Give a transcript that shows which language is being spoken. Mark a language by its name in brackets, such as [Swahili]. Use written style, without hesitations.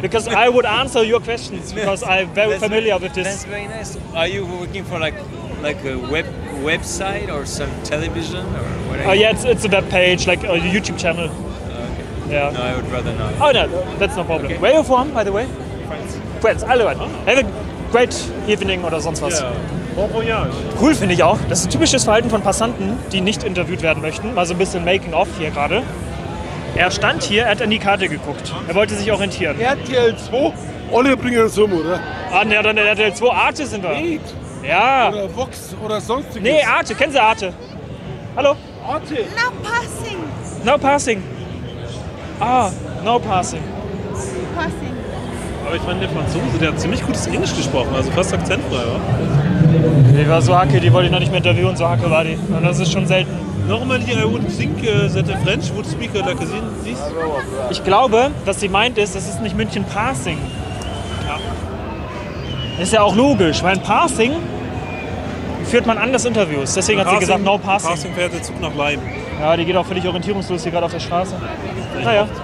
[English] Because I would answer your questions because I'm very familiar with this. That's very nice. Are you working for like a website or some television or whatever? Oh, yeah, it's a web page, like a YouTube channel. Okay. Yeah. No, I would rather not. Oh, no, that's no problem. Okay. Where are you from, by the way? France. Hello, everyone. Oh. Have a great evening or [German] sonst was. [English] Yeah. [German] Cool, finde ich auch. Das ist ein typisches Verhalten von Passanten, die nicht interviewt werden möchten. Mal so ein bisschen Making-of hier gerade. Er stand hier, er hat an die Karte geguckt. Er wollte sich orientieren. RTL 2, alle bringen das um, oder? Ah, ne, dann RTL 2, Arte sind wir. Nee. Ja. Oder Vox oder sonstiges. Nee, Arte, kennen Sie Arte? Hallo? Arte. [English] No passing. No passing. Ah, no passing. Passing. [German] Aber ich fand, der Franzose, der hat ziemlich gutes Englisch gesprochen, also fast akzentfrei, oder? Die war so hacke, die wollte ich noch nicht mehr interviewen, so hacke war die. Und das ist schon selten. [English] Normally I would think that the French would speak like this. [German] Ich glaube, was sie meint ist, das ist nicht München Passing. Ja. Ist ja auch logisch, weil in Passing führt man anders Interviews. Deswegen hat sie gesagt, no Passing. Passing fährt der Zug nach Leim. Ja, die geht auch völlig orientierungslos hier gerade auf der Straße. Vielleicht, naja.